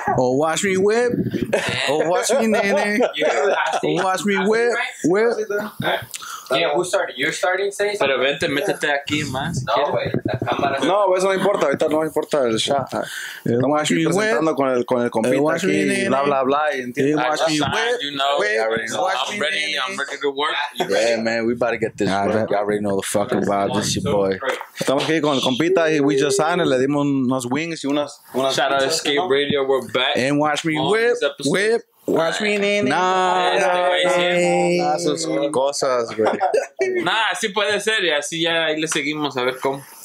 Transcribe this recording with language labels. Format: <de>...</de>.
<en>Oh, watch me whip. Oh, watch me nene. Oh, watch me whip. Whip. Yeah, who started? You're starting, say something?</en> <es>Pero vente, métete aquí más. No, güey, la cámara. No, eso no importa, ahorita no importa el chat. Estamos aquí presentando con el compita aquí, bla, bla, bla.</es> <en>I just signed, you know. I'm ready to work. Yeah, man, we about to get this work. I already know the fucking vibe. This is your boy.</en> <es>Estamos aquí con el compita y</es> <en>we just signed.</en> <es>Le dimos unos wings y unas...</es> <en>Shout out Escape Radio, we're back. And watch me whip, whip. Watch me, nene. Nah,</en> <es>sus cosas, güey. Nah, así puede ser. Y así ya ahí le seguimos a ver cómo.</es>